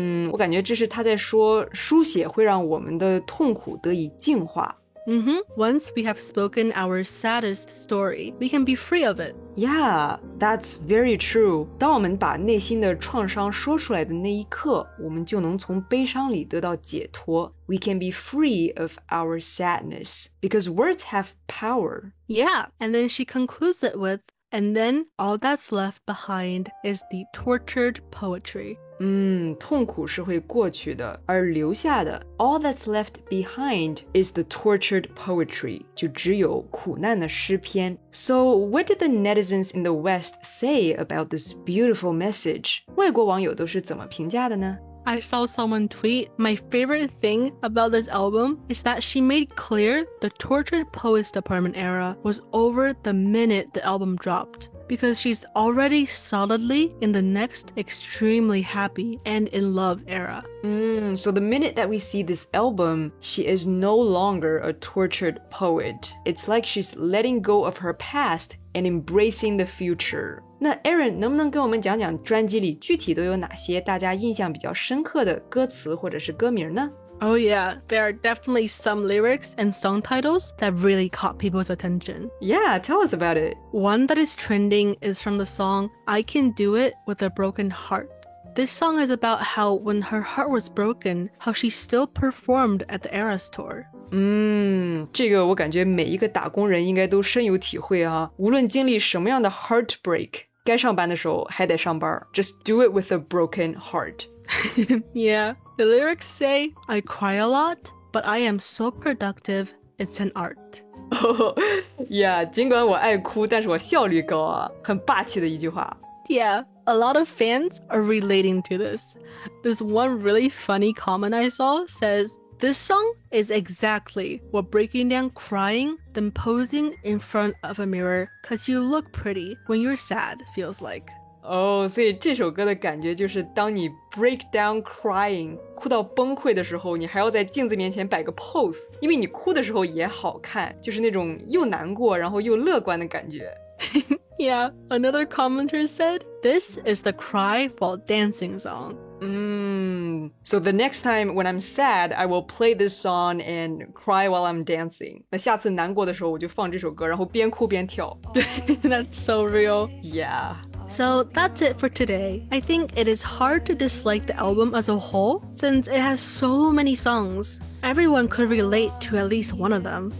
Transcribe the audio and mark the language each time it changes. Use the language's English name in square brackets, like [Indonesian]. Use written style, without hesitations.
[Chinese] 我感觉这是他在说书写会让我们的痛苦得以净化。 [English] Once we have spoken our saddest story, we can be free of it. Yeah, that's very true. [Chinese] 当我们把内心的创伤说出来的那一刻，我们就能从悲伤里得到解脱。 [English] We can be free of our sadness, because words have power. Yeah, and then she concludes it with, and then all that's left behind is the tortured poetry. [Chinese] 痛苦是会过去的而留下的 [English] All that's left behind is the tortured poetry [Chinese] 就只有苦难的诗篇 [English] So what did the netizens in the West say about this beautiful message? [Chinese] 外国网友都是怎么评价的呢 [English] I saw someone tweet My favorite thing about this album is that she made clear the tortured poets department era was over the minute the album droppedBecause she's already solidly in the next extremely happy and in love era. So the minute that we see this album, she is no longer a tortured poet. It's like she's letting go of her past and embracing the future. [Chinese] 那 Aaron, 能不能跟我们讲讲专辑里具体都有哪些大家印象比较深刻的歌词或者是歌名呢？ [English] Oh yeah, there are definitely some lyrics and song titles that really caught people's attention. Yeah, tell us about it. One that is trending is from the song, I Can Do It With a Broken Heart. This song is about how when her heart was broken, how she still performed at the Eras Tour. [Chinese] 这个我感觉每一个打工人应该都深有体会啊。无论经历什么样的 heartbreak, 该上班的时候还得上班。 [English] Just do it with a broken heart. yeah. The lyrics say, I cry a lot, but I am so productive, it's an art. [Chinese] Yeah, 尽管我爱哭,但是我效率高啊,很霸气的一句话。 [English] Yeah, a lot of fans are relating to this. This one really funny comment I saw says, This song is exactly what breaking down crying then posing in front of a mirror because you look pretty when you're sad feels like. [Chinese] Oh, 所以这首歌的感觉就是当你 [English] break down crying, [Chinese] 哭到崩溃的时候你还要在镜子面前摆个 pose, 因为你哭的时候也好看就是那种又难过然后又乐观的感觉。 [English] Yeah, another commenter said, this is the cry while dancing song. So the next time when I'm sad, I will play this song and cry while I'm dancing. [Chinese] 那下次难过的时候我就放这首歌然后边哭边跳。 [English] That's so real. Yeah. So that's it for today. I think it is hard to dislike the album as a whole since it has so many songs. Everyone could relate to at least one of them.